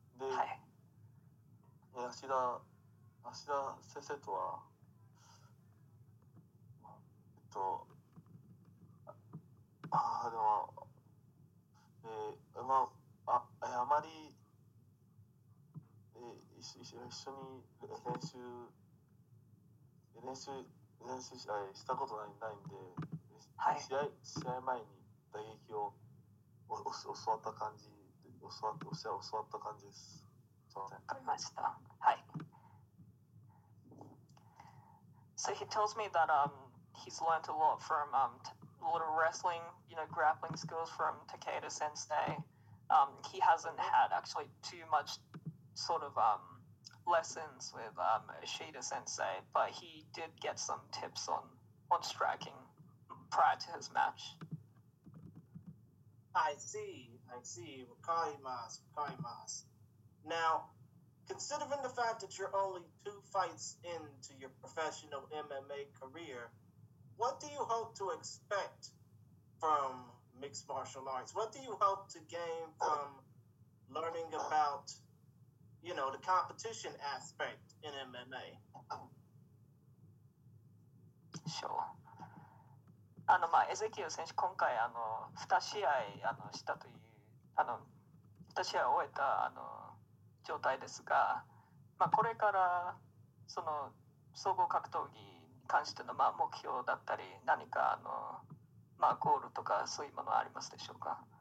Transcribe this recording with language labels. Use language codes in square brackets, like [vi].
[ja] で、芦田先生とは、一緒に練習したことないんで、はい、試合前に打撃を教わった感じです。わかりました。はい。 [en] So he tells me that he's learned a lot from a lot of wrestling, you know, grappling skills from Takeda Sensei. He hasn't had actually too much sort of lessons with Ishida Sensei, but he did get some tips on striking prior to his match. I see. [ja] Wakaimasu. [en] Now, considering the fact that you're only 2 fights into your professional MMA career, what do you hope to expect from mixed martial arts? What do you hope to gain from learning about, you know, the competition aspect in MMA? Sure. [ja] Ezekiel 選手、今回2試合したという、2試合終えた状態ですが、まあ、これからその総合格闘技に関しての目標だったり何かゴールとかそういうものはありますでしょうか。